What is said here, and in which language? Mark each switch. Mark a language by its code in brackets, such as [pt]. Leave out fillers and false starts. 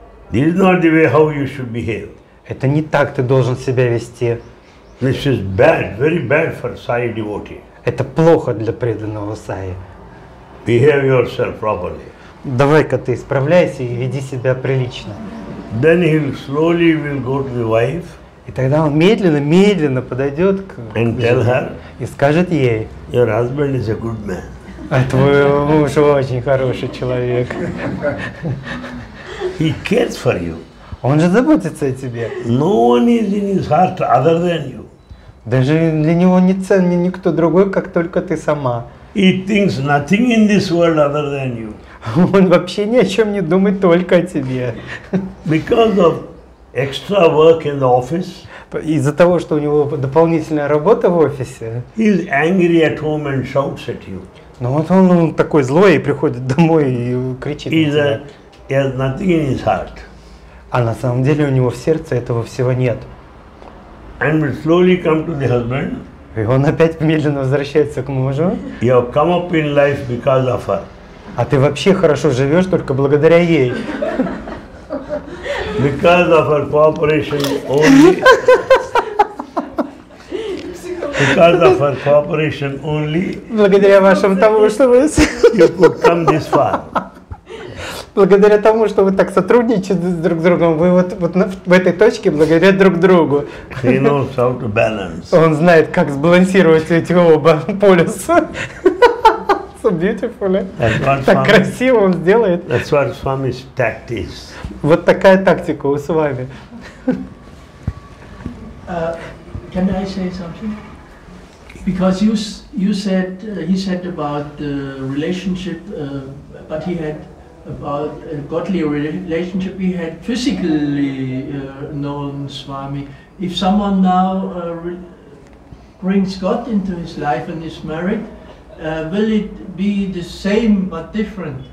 [en] This is not the way how you should behave. [ru] Это не так ты должен себя вести. [en] This is bad, very bad for Sai devotee. [ru] Это плохо для преданного Саи. [en] Behave yourself properly. [ru] Давай-ка ты исправляйся и веди себя прилично. [en] Then he slowly will go to the wife. [ru] И тогда он медленно подойдет к жене. [en] And tell her. [ru] И скажет ей. [en] Your husband is a good man. [ru] А твой муж очень хороший человек. [en] He cares for you. [ru] Он же заботится о тебе. [en] No one is in his heart other than you. [ru] Даже для него не ценен никто другой, как только ты сама. [en] He thinks nothing in this world other than you. [ru] Он вообще ни о чем не думает, только о тебе. [en] Because of extra work in the office. [ru] Из-за того, что у него дополнительная работа в офисе. [en] He's angry at home and shouts at you. [ru] Но вот он такой злой и приходит домой и кричит. [en] He has nothing in his heart. [ru] А на самом деле у него в сердце этого всего нет. [en] And will slowly come to the husband. [ru] И он опять медленно возвращается к мужу. [en] You have come up in life because of her. [ru] А ты вообще хорошо живешь только благодаря ей. [en] Because of her cooperation only. Because of her cooperation only. [ru] Благодаря вашему тому, что вы. [en] You could come this far. [ru] Благодаря тому, что вы так сотрудничаете с друг с другом, вы вот в этой точке благодаря друг другу. [en] He knows how to balance. [ru] Он знает, как сбалансировать эти оба полюса. [en] So beautiful, [ru] так красиво он сделает. [en] That's what Swami's tactics. [ru] Вот такая тактика у Свами. [en] Can I say something? Because you said, he said about the relationship, but he had about a godly relationship he had physically known Swami. If someone now brings God into his life and is married, will it be the same but different?